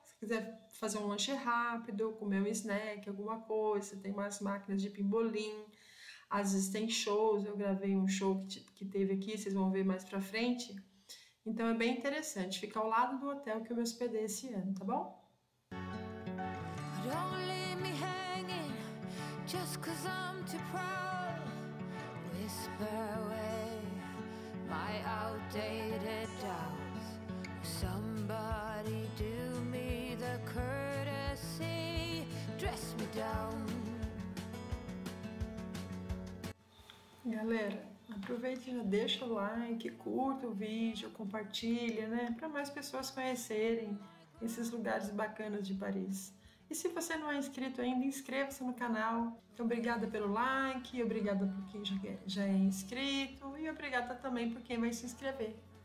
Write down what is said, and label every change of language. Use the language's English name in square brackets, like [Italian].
[Portuguese] Se quiser fazer um lanche rápido, comer um snack, alguma coisa, tem umas máquinas de pimbolim. Às vezes tem shows, eu gravei um show que teve aqui, vocês vão ver mais pra frente. Então é bem interessante, fica ao lado do hotel que eu me hospedei esse ano, tá bom? [English] Don't leave me hanging, just cause I'm too proud. Whisper away my outdated doubts. Somebody do me the courtesy, dress me down. [Portuguese] Galera, aproveita e já deixa o like, curta o vídeo, compartilha, né? Para mais pessoas conhecerem esses lugares bacanas de Paris. E se você não é inscrito ainda, inscreva-se no canal. Então, obrigada pelo like, obrigada por quem já é inscrito e obrigada também por quem vai se inscrever.